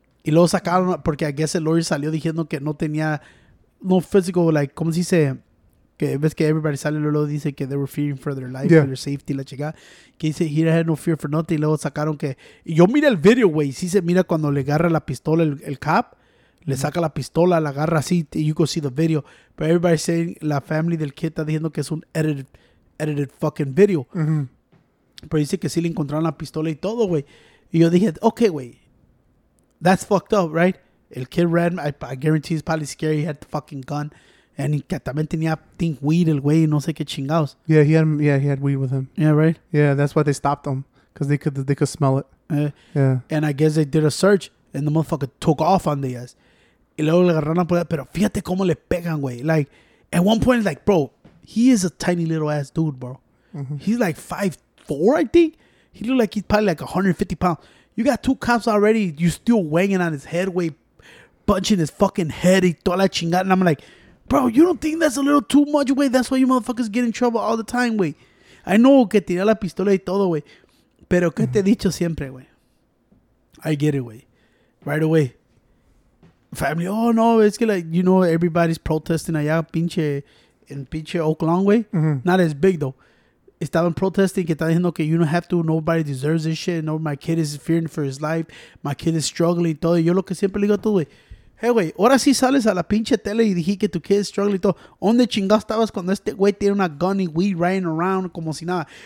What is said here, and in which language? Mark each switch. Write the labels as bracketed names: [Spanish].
[Spanish] Y luego sacaron, porque I guess el lawyer salió diciendo que no tenía, no físico, like, ¿cómo se dice? Que ves que everybody sale y luego dice que [English] they were fearing for their life, for their safety, [Spanish] la chica. Que dice, [English] he had no fear for nothing. [Spanish] Y luego sacaron que, y yo mira el video, güey. Sí se mira cuando le agarra la pistola el cop, le saca la pistola, la agarra así, [English] you can see the video. But everybody saying, [Spanish] la family del kid está diciendo que es un [English] edited fucking video. [Spanish] Mm-hmm. Pero dice que sí le encontraron la pistola y todo, güey. Y yo dije, [English] okay, güey. That's fucked up, right? El kid ran. I guarantee he's probably scared. He had the fucking gun. And he [Spanish] también tenía, [English] think, weed el güey. [Spanish] No sé qué chingados. [English] Yeah, he had weed with him. Yeah, right? Yeah, that's why they stopped him. Because they could smell it. And I guess they did a search. And the motherfucker took off on the ass. [Spanish] Y luego le agarraron por ahí. Pero fíjate cómo le pegan, güey. [English] Like, at one point, like, bro, he is a tiny little ass dude, bro. Mm-hmm. He's like 5'4", I think. He looked like he's probably like 150 pounds. You got two cops already. You still wanging on his head, way, punching his fucking head. [Spanish] Y toda la chingada. [English] And I'm like, bro, you don't think that's a little too much, way? That's why you motherfuckers get in trouble all the time, way. I know [Spanish] que tiré la pistola y todo, [English] way. [Spanish] Pero que te he dicho siempre, [English] way. I get it, way. Right away. Family, oh, no. It's que, like, you know, everybody's protesting [Spanish] allá pinche Oakland, [English] way. Mm-hmm. Not as big, though. Estaban protesting, [Spanish] que estaban diciendo que [English] you don't have to, nobody deserves this shit, no, my kid is fearing for his life, my kid is struggling, todo. [Spanish] Yo lo que siempre digo a todo, güey, hey, güey, ahora sí sales a la pinche tele y dijiste que [English] tu kid is struggling, [Spanish] todo. ¿Dónde chingados estabas cuando este güey tiene una gun y [English] weed riding around [Spanish] como si nada?